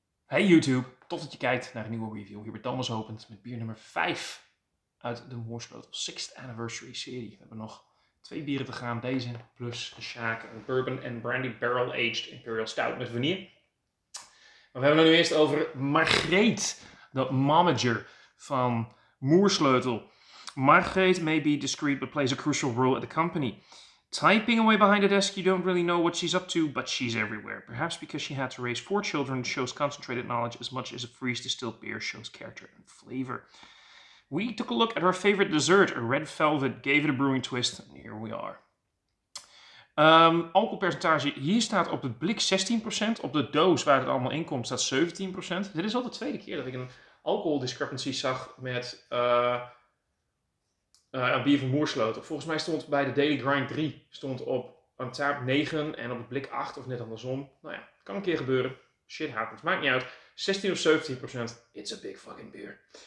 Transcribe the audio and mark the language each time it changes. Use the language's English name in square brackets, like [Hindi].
[English] Hey YouTube, [Dutch] tof dat je kijkt naar een nieuwe review. Hier bij Thomas opent met bier nummer 5 uit de Moorspotel 6th Anniversary serie. We hebben nog 2 bieren te gaan. Deze plus de Shaak, een Bourbon and Brandy Barrel Aged Imperial Stout met vanille. Maar we hebben het nu eerst over Margreet, de manager van Moorsleutel. [English] Margreet may be discreet, but plays a crucial role at the company. Typing away behind a desk, you don't really know what she's up to, but she's everywhere. Perhaps because she had to raise 4 children, shows concentrated knowledge as much as a freeze-distilled beer shows character and flavor. We took a look at our favorite dessert, a red velvet, gave it a brewing twist, and here we are. [Dutch] Alcoholpercentage, hier staat op het blik 16%, op de doos waar het allemaal in komt staat 17%. Dit is al de tweede keer dat ik een alcohol discrepancy zag met een bier van Moorsleutel. Volgens mij stond bij de Daily Grind 3 stond op een tap 9 en op het blik 8 of net andersom. Nou ja, kan een keer gebeuren. [English] Shit happens, [Dutch] maakt niet uit. [English] 16 of 17%, it's a big fucking beer.